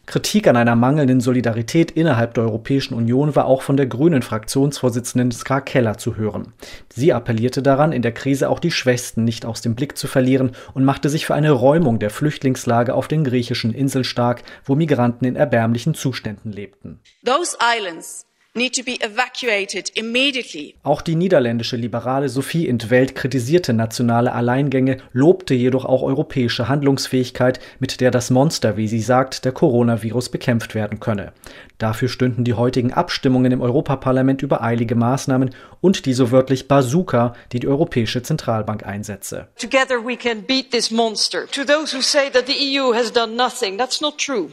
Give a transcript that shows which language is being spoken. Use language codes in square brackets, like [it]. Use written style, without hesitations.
[de] Kritik an einer mangelnden Solidarität innerhalb der Europäischen Union war auch von der grünen Fraktionsvorsitzenden Ska Keller zu hören. Sie appellierte daran, in der Krise auch die Schwächsten nicht aus dem Blick zu verlieren und machte sich für eine Räumung der Flüchtlingslager auf den griechischen Inseln stark, wo Migranten in erbärmlichen Zuständen lebten. [en] Those islands need to be evacuated immediately. [de] Auch die niederländische Liberale Sophie in 't Veld kritisierte nationale Alleingänge, lobte jedoch auch europäische Handlungsfähigkeit, mit der das Monster, wie sie sagt, der Coronavirus bekämpft werden könne. Dafür stünden die heutigen Abstimmungen im Europaparlament über eilige Maßnahmen und die so wörtlich Bazooka, die die Europäische Zentralbank einsetze. [en] Together we can beat this monster. To those who say that the EU has done nothing, that's not true.